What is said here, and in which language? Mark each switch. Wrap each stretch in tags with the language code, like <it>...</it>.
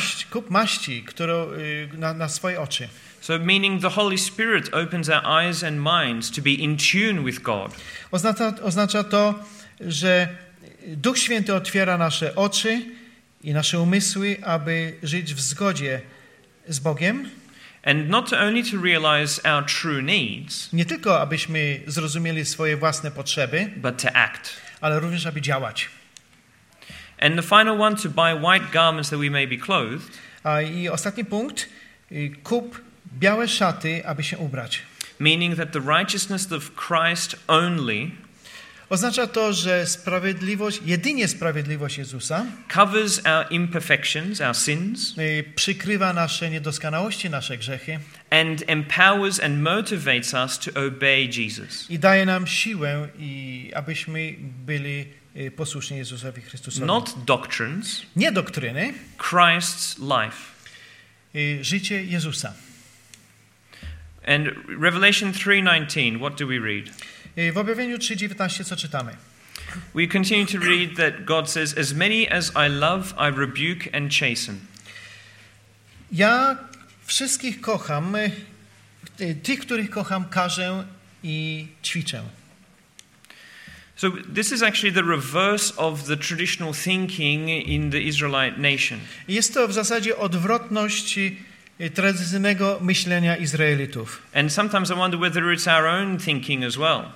<pl>Kup maści, którą na swoje oczy.</pl> <en>So meaning the Holy Spirit opens our eyes and minds to be in tune with God.</en> <pl>Oznacza to, że Duch Święty otwiera nasze oczy i nasze umysły, aby żyć w zgodzie z Bogiem.</pl> <en>And not only to realize our true needs.</en> <pl>Nie tylko abyśmy zrozumieli swoje własne potrzeby,</pl> <en>but to act.</en> <pl>Ale również aby działać.</pl> <en>And the final one to buy white garments that we may be clothed.</en> <pl>A i ostatni punkt, kup białe szaty, aby się ubrać.</pl> <en>Meaning that the righteousness of Christ only.</en> <pl>Oznacza to, że jedynie sprawiedliwość Jezusa</pl> <en>covers our imperfections, our sins,</en> <pl>przykrywa nasze niedoskonałości, nasze grzechy,</pl> <en>and empowers and motivates us to obey Jesus.</en> <pl>I daje nam siłę, abyśmy byli posłuszni Jezusowi Chrystusowi.</pl> <en>Not doctrines,</en> <pl>nie doktryny,</pl> <en>Christ's life.</en> <pl>Życie Jezusa.</pl> <en>And Revelation 3:19, what do we read?</en> <pl>W objawieniu 3:19 co czytamy?</pl> <en>We continue to read that God says, as many as I love, I rebuke and chasten.</en> <pl>Ja wszystkich kocham, tych, których kocham, karzę i ćwiczę.</pl> <en>So this is actually the reverse of the traditional thinking in the Israelite nation.</en> <pl>Jest to w zasadzie odwrotność tradycyjnego myślenia Izraelitów.</pl> <en>And sometimes I wonder whether it's our own thinking as well.</en>